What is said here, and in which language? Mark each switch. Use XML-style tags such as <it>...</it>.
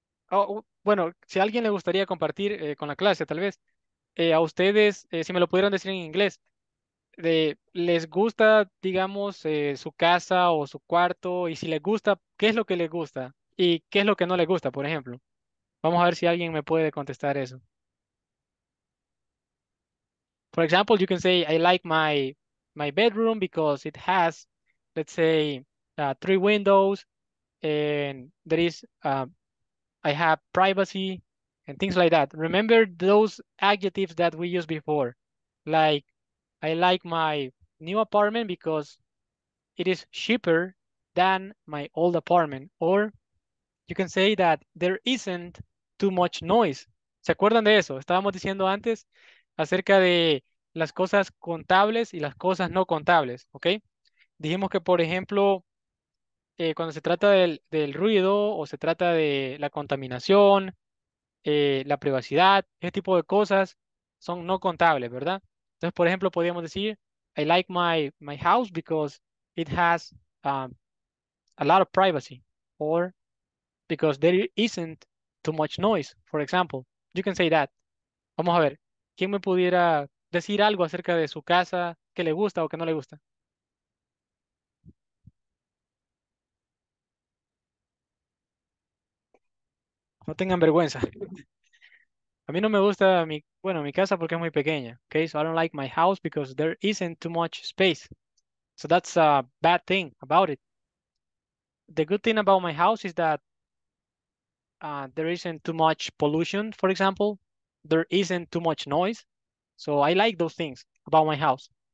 <es>Oh, bueno, si a alguien le gustaría compartir con la clase, tal vez, a ustedes, si me lo pudieran decir en inglés, ¿les gusta, digamos, su casa o su cuarto? Y si les gusta, ¿qué es lo que les gusta? ¿Y qué es lo que no les gusta, por ejemplo? Vamos a ver si alguien me puede contestar eso.</es> <en>For example, you can say, I like my bedroom because it has, let's say, three windows, and there is... I have privacy and things like that. Remember those adjectives that we used before. Like, I like my new apartment because it is cheaper than my old apartment. Or you can say that there isn't too much noise.</en> <es>¿Se acuerdan de eso? Estábamos diciendo antes acerca de las cosas contables y las cosas no contables, ¿ok? Dijimos que, por ejemplo... cuando se trata del ruido o se trata de la contaminación, la privacidad, ese tipo de cosas son no contables, ¿verdad? Entonces, por ejemplo, podríamos decir,</es> <en>I like my house because it has a lot of privacy, or because there isn't too much noise, for example. You can say that.</en> <es>Vamos a ver, ¿quién me pudiera decir algo acerca de su casa que le gusta o que no le gusta? No tengan vergüenza. A mí no me gusta mi casa porque es muy pequeña.</es> <en>Okay, so I don't like my house because there isn't too much space. So that's a bad thing about it. The good thing about my house is that there isn't too much pollution, for example. There isn't too much noise. So I like those things about my house.</en>